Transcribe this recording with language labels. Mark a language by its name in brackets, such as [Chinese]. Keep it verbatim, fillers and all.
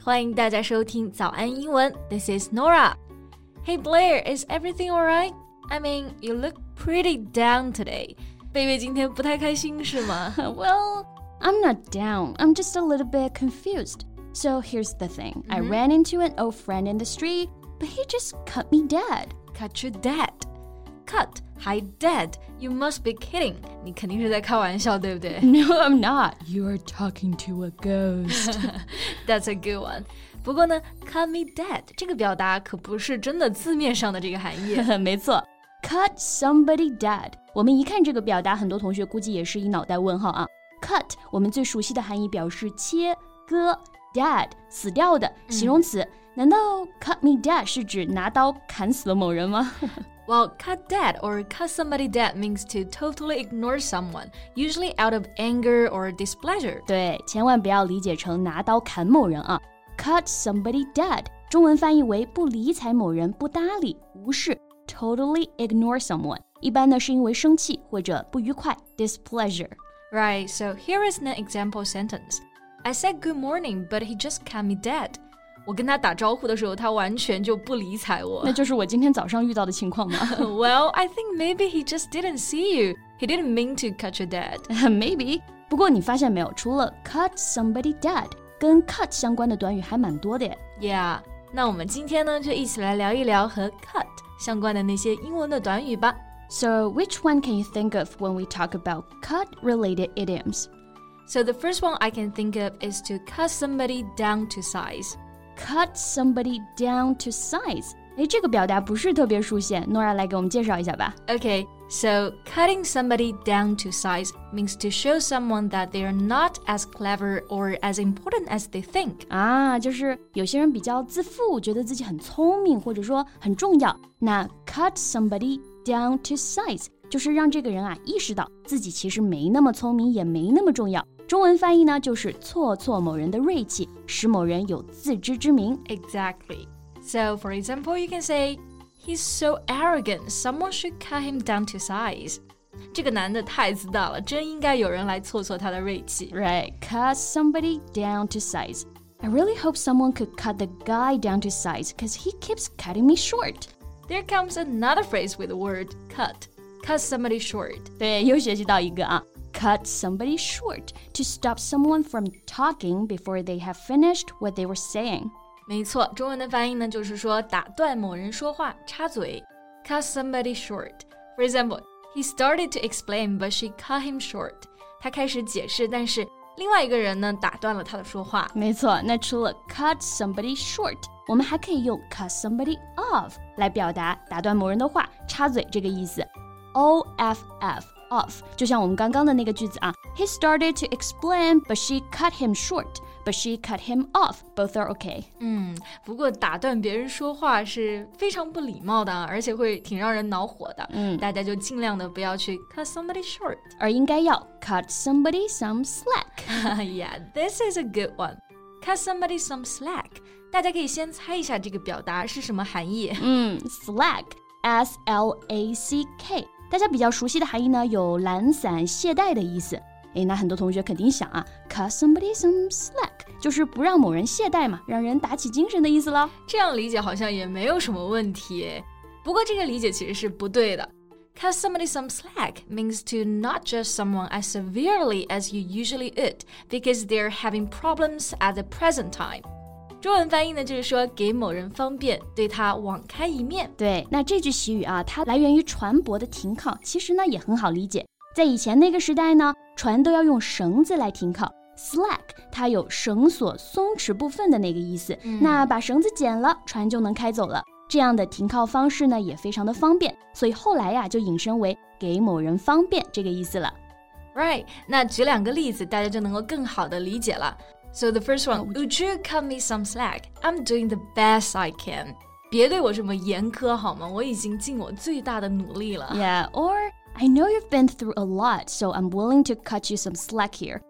[Chinese] 欢迎大家收听早安英文。 [English] This is Nora. Hey, Blair, is everything all right? I mean, you look pretty down today. [Chinese] 贝贝今天不太开心是吗？ [English] Well, I'm not down. I'm just a little bit confused. So here's the thing. Mm-hmm. I ran into an old friend in the street, but he just cut me dead. Cut you dead. Cut, hi dead. You must be kidding. [Chinese] 你肯定是在开玩笑，对不对？ [English] No, I'm not. You are talking to a ghost. That's a good one. [Chinese] 不过呢 [English] cut me dead [Chinese] 这个表达可不是真的字面上的这个含义。没错 [English] cut somebody dead. [Chinese] 我们一看这个表达，很多同学估计也是一脑袋问号啊。Cut 我们最熟悉的含义表示切割 dead 死掉的形容词、嗯、难道 [English] cut me dead [Chinese] 是指拿刀砍死了某人吗？ [English] Well, cut dead or cut somebody dead means to totally ignore someone, usually out of anger or displeasure. [Chinese] 对，千万不要理解成拿刀砍某人啊。 [English] Cut somebody dead, [Chinese] 中文翻译为不理睬某人、不搭理、无视。 [English] Totally ignore someone, [Chinese] 一般呢是因为生气或者不愉快 displeasure. [English] Right, so here is an example sentence. I said good morning, but he just cut me dead. [Chinese] 我跟他打招呼的时候，他完全就不理睬我。那就是我今天早上遇到的情况吗？ [English] Well, I think maybe he just didn't see you. He didn't mean to cut you dead. Maybe. [Chinese] 不过你发现没有，除了 [English] cut somebody dead， [Chinese] 跟 cut 相关的短语还蛮多的耶。 [English] Yeah. [Chinese] 那我们今天呢，就一起来聊一聊和 cut 相关的那些英文的短语吧。 [English] So, which one can you think of when we talk about cut-related idioms? So, the first one I can think of is to cut somebody down to size. Cut somebody down to size. [Chinese] 诶，这个表达不是特别熟悉 Nora 来给我们介绍一下吧。 [English] Okay, so cutting somebody down to size means to show someone that they are not as clever or as important as they think. [Chinese] 啊，就是有些人比较自负，觉得自己很聪明，或者说很重要。那 [English] cut somebody down to size [Chinese] 就是让这个人啊意识到自己其实没那么聪明，也没那么重要。中文翻译呢，就是挫挫某人的锐气，使某人有自知之明。 [English] Exactly. So, for example, you can say, "He's so arrogant. Someone should cut him down to size." [Chinese] 这个男的太自大了，真应该有人来挫挫他的锐气。 [English] Right. Cut somebody down to size. I really hope someone could cut the guy down to size, because he keeps cutting me short. There comes another phrase with the word "cut." Cut somebody short. [Chinese] 对，又学习到一个啊。 [English] Cut somebody short to stop someone from talking before they have finished what they were saying. [Chinese] 没错，中文的翻译呢，就是说打断某人说话，插嘴。 [English] Cut somebody short. For example, he started to explain, but she cut him short. [Chinese] 他开始解释，但是另外一个人呢，打断了他的说话。没错，那除了 [English] cut somebody short， [Chinese] 我们还可以用 [English] cut somebody off [Chinese] 来表达打断某人的话，插嘴这个意思。 [English] O F F. Off, [Chinese] 就像我们刚刚的那个句子啊 [English] He started to explain, but she cut him short, but she cut him off. Both are okay. [Chinese] 嗯，不过打断别人说话是非常不礼貌的，而且会挺让人恼火的。嗯，大家就尽量的不要去 [English] cut somebody short， [Chinese] 而应该要 [English] cut somebody some slack. Yeah, this is a good one. Cut somebody some slack. [Chinese] 大家可以先猜一下这个表达是什么含义。 [English] 嗯 ，slack, S L A C K. [Chinese] 大家比较熟悉的含义呢，有懒散、懈怠的意思。诶，那很多同学肯定想啊 ， [English] cut somebody some slack， [Chinese] 就是不让某人懈怠嘛，让人打起精神的意思了。这样理解好像也没有什么问题，不过这个理解其实是不对的。 [English] Cut somebody some slack means to not judge someone as severely as you usually would because they're having problems at the present time. [Chinese] 中文翻译呢，就是说给某人方便，对他网开一面。对，那这句习语啊，它来源于船舶的停靠，其实呢也很好理解。在以前那个时代呢，船都要用绳子来停靠 ，slack 它有绳索松弛部分的那个意思。嗯、那把绳子剪了，船就能开走了。这样的停靠方式呢，也非常的方便，所以后来呀、啊，就引申为给某人方便这个意思了。 Right， 那举两个例子，大家就能够更好的理解了。 [English] So the first one, would you cut me some slack? I'm doing the best I can. [Chinese] 别对我这么严苛好吗？我已经尽我最大的努力了。 [English] Yeah, or I know you've been through a lot, so I'm willing to cut you some slack here.